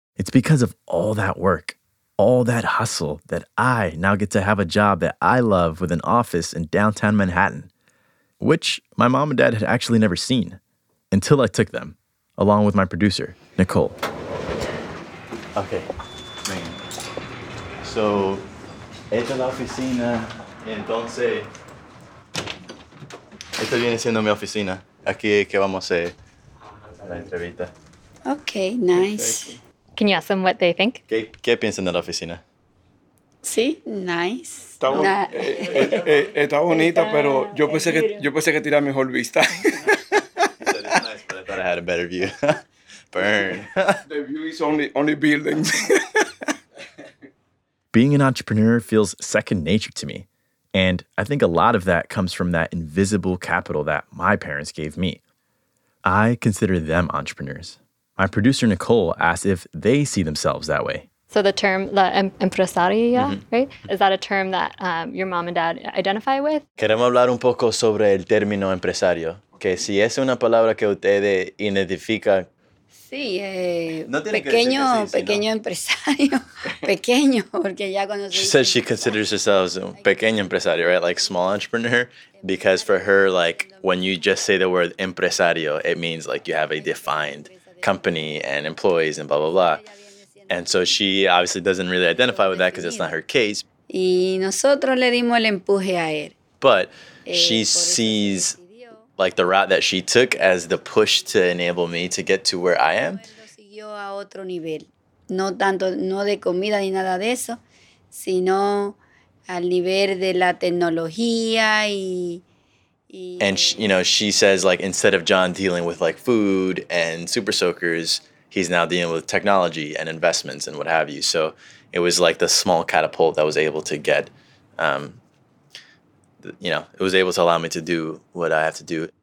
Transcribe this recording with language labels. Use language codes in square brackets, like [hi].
[en] It's because of all that work, all that hustle, that I now get to have a job that I love with an office in downtown Manhattan, which my mom and dad had actually never seen until I took them, along with my producer, Nicole. Okay, man. [es] So, esta la oficina, entonces, esta viene siendo mi oficina. Aquí es que vamos a la entrevista. [en] Okay, nice. Perfecto. Can you ask them what they think? [es] ¿Qué piensan de la oficina? Sí, nice. Está, está bonita, pero yo pensé que tenía mejor vista. [en] Nice, but I thought I had a better view. Burn. The view is only buildings. Being an entrepreneur feels second nature to me. And I think a lot of that comes from that invisible capital that my parents gave me. I consider them entrepreneurs. My producer, Nicole, asked if they see themselves that way. So the term, la empresaria, mm-hmm. right? Is that a term that your mom and dad identify with? [es] Queremos hablar un poco sobre el término empresario. Que si es una palabra que ustedes identifican. Sí, no pequeño, que sí, pequeño empresario. Pequeño, porque ya cuando... [en] She said she considers herself a pequeño empresario, right? Like small entrepreneur. Because for her, like when you just say the word empresario, it means like you have a defined company and employees and blah, blah, blah. And so she obviously doesn't really identify with that because it's not her case. [es] Y nosotros le dimos el empuje a él. [en] But she sees like the route that she took as the push to enable me to get to where I am. [es] Siguió a otro nivel. No tanto, no de comida ni nada de eso, sino al nivel de la tecnología y... [en] And, you know, she says, like, instead of John dealing with, like, food and super soakers, he's now dealing with technology and investments and what have you. So it was like the small catapult that was able to get, you know, it was able to allow me to do what I have to do.